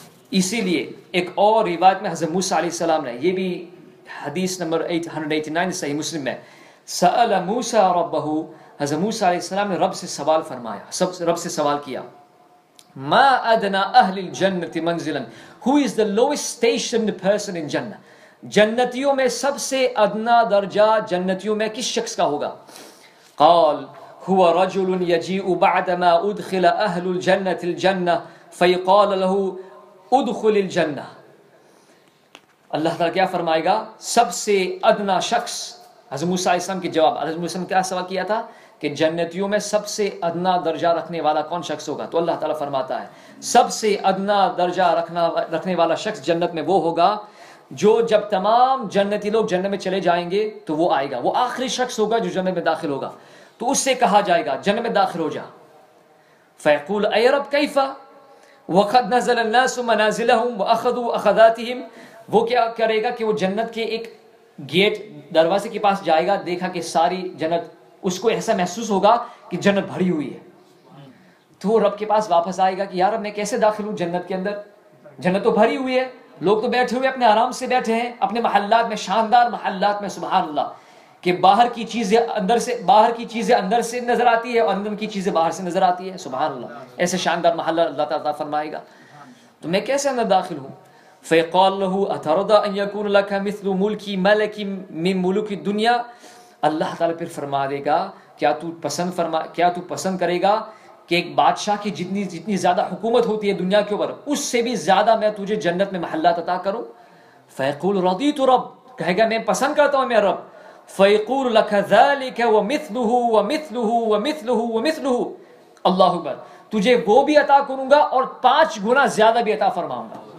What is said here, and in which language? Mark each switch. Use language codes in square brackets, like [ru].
[ur] اسی لیے ایک اور روایت میں حضرت موسیٰ علیہ السلام نے, یہ بھی حدیث نمبر 889 صحیح مسلم میں, [ar] سأل موسیٰ ربہ, [ur] حضرت موسیٰ علیہ السلام نے رب سے سوال فرمایا, رب سے سوال کیا, [ar] ما ادنا اہل الجنت منزلا, [en] who is the lowest stationed person in jannah, [ur] جنتیوں میں سب سے ادنا درجہ جنتیوں میں کس شخص کا ہوگا؟ [ar] قال هو رجل يجيء بعدما أدخل أهل الجنة الجنة فيقال له أدخل الجنة. [ur] اللہ تعالیٰ کیا فرمائے گا؟ سب سے ادنا شخص، حضرت موسیٰ علیہ السلام کے جواب، حضرت موسیٰ علیہ السلام کیا سوال کیا تھا کہ جنتیوں میں سب سے ادنا درجہ رکھنے والا کون شخص ہوگا؟ تو اللہ تعالیٰ فرماتا ہے سب سے ادنا درجہ رکھنے والا شخص جنت میں وہ ہوگا جو جب تمام جنتی لوگ جنت میں چلے جائیں گے تو وہ آئے گا، وہ آخری شخص ہوگا جو جنت میں داخل ہوگا، تو اس سے کہا جائے گا جنت میں داخل ہو جا. [ar] فیقول اے رب کیفا وقد نزل الناس منازلهم واخذوا اخذاتهم. [ur] وہ کیا کرے گا کہ وہ جنت کے ایک گیٹ دروازے کے پاس جائے گا، دیکھا کہ ساری جنت، اس کو ایسا محسوس ہوگا کہ جنت بھری ہوئی ہے، تو وہ رب کے پاس واپس آئے گا کہ یا رب میں کیسے داخل ہوں جنت کے اندر، جنت تو بھری ہوئی ہے، لوگ تو بیٹھے ہوئے اپنے آرام سے بیٹھے ہیں اپنے محلات میں، شاندار محلات میں، سبحان اللہ، کہ باہر کی چیزیں اندر سے، باہر کی چیزیں اندر سے نظر آتی ہے اور اندر کی چیزیں باہر سے نظر آتی ہے، سبحان اللہ، ایسے شاندار محلہ اللہ تعالیٰ فرمائے گا، تو میں کیسے اندر داخل ہوں. [ar] فیقال له اترضى ان يكون لك مثل ملك ملك من ملوك الدنيا. [ur] اللہ تعالیٰ پھر فرما دے گا کیا تو پسند فرما، کیا تو پسند کرے گا کہ ایک بادشاہ کی جتنی جتنی زیادہ حکومت ہوتی ہے دنیا کے اوپر اس سے بھی زیادہ میں تجھے جنت میں محلات عطا کروں. [ar] فیقول رضیت رب، [ur] کہے گا میں پسند کرتا ہوں میرے رب. [ar] فیقول لك ذلك ومثله ومثله [ur] ومثله ومثله، اللہ اکبر، تجھے وہ بھی عطا کروں گا اور پانچ گنا زیادہ بھی عطا فرماؤں گا.